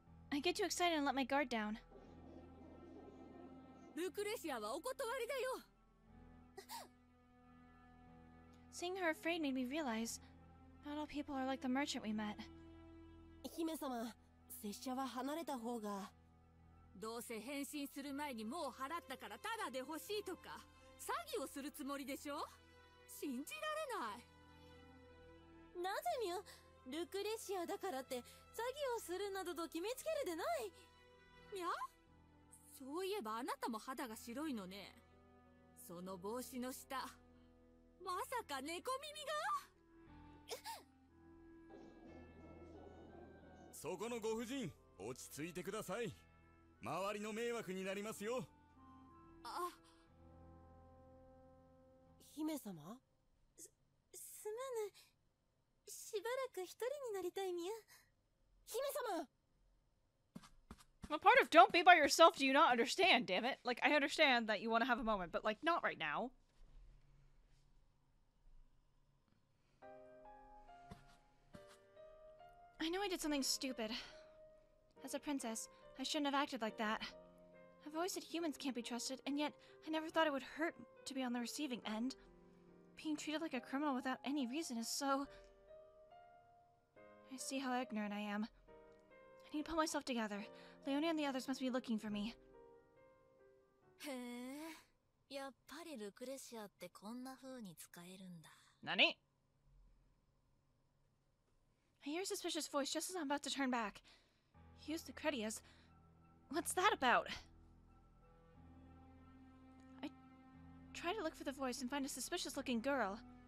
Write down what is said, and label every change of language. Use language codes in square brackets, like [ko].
[en] I get too excited and let my guard down. [ja] Lucrecia はお断りだよ。 [en] Seeing her afraid made me realize not all people are like the merchant we met. [ja] 姫様、拙者は離れた方が。どうせ変身する前にもう払ったからタダで欲しいとか詐欺をするつもりでしょ。信じられない。なぜミュルクレシアだからって詐欺をするなどと決めつけるでない。みゃ、そういえばあなたも肌が白いのね。その帽子の下、まさか猫耳が。そこのご婦人、落ち着いてください。周りの迷惑になりますよ。あ、姫様。すまぬ、しばらく一人になりたいみゃ。姫様。 [en] Well, part of don't be by yourself do you not understand, damn it. Like, I understand that you want to have a moment, but like, not right now. I know I did something stupid. As a princess, I shouldn't have acted like that. I've always said humans can't be trusted, and yet I never thought it would hurt to be on the receiving end. Being treated like a criminal without any reason is so... I see how ignorant I am. I need to pull myself together. Leonie and the others must be looking for me. Heh. [ja] やっぱりルクレシアってこんな風に使えるんだ。何? [en] I hear a suspicious voice just as I'm about to turn back. Here's the Credius. What's that about? I try to look for the voice and find a suspicious looking girl.